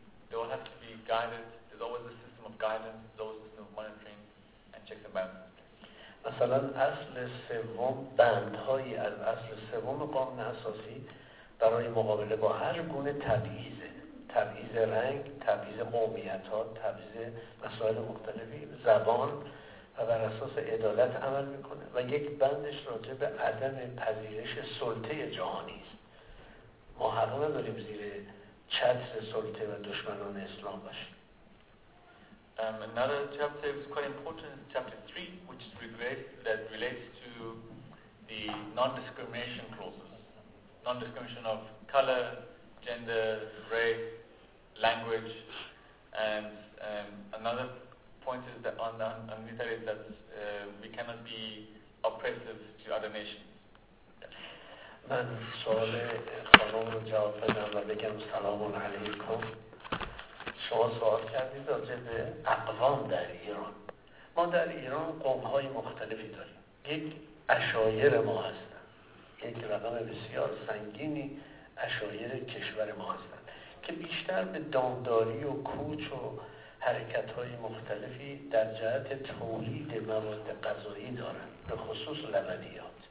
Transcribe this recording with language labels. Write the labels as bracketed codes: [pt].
[en] They all have to be guided. There's always a system of guidance, there's always a system of monitoring and checks and balances. [fa] مثلا اصل سوم بندهایی از اصل سوم قانون اساسی برای مقابله با هر گونه تبعیض، تبعیض رنگ، تبعیض قومیت‌ها، تبعیض مسائل مختلفی، زبان و بر اساس عدالت عمل می‌کنه و یک بندش راجع به عدم پذیرش سلطه جهانی است. ما حق نداریم زیر چتر سلطه و دشمنان اسلام باشیم. [en] Another chapter is quite important, chapter 3, which is that relates to the non-discrimination clauses. Non-discrimination of color, gender, race, language. And another point is that on the other is that we cannot be oppressive to other nations. [fa] من سوال خانم رو جواب بدم و بگم سلام علیکم. شما سوال کردید راجع به اقوام در ایران. ما در ایران قوم‌های مختلفی داریم. یک عشایر ما هستند. یک رقم بسیار سنگینی عشایر کشور ما هستند که بیشتر به دامداری و کوچ و حرکت‌های مختلفی در جهت تولید مواد غذایی دارند، به خصوص لبنیات.